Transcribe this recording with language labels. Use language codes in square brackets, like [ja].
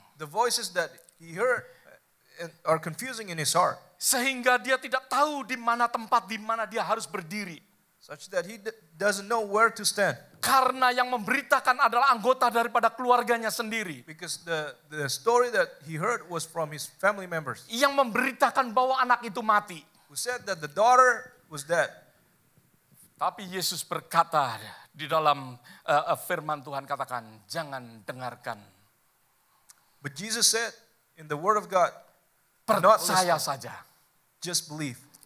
[en] The voices that he heard are confusing in his heart. [id] Sehingga dia tidak tahu di mana tempat di mana dia harus berdiri. [en] Such that he doesn't know where to stand. [id] Karena yang memberitakan adalah anggota daripada keluarganya sendiri. [en] Because the story that he heard was from his family members. [id] Yang memberitakan bahwa anak itu mati. [en] Who said that the daughter was dead. [id] Tapi Yesus berkata di dalam firman Tuhan, katakan, jangan dengarkan. [en] But Jesus said in the word of God, [id] Percaya saja. [en] Just believe.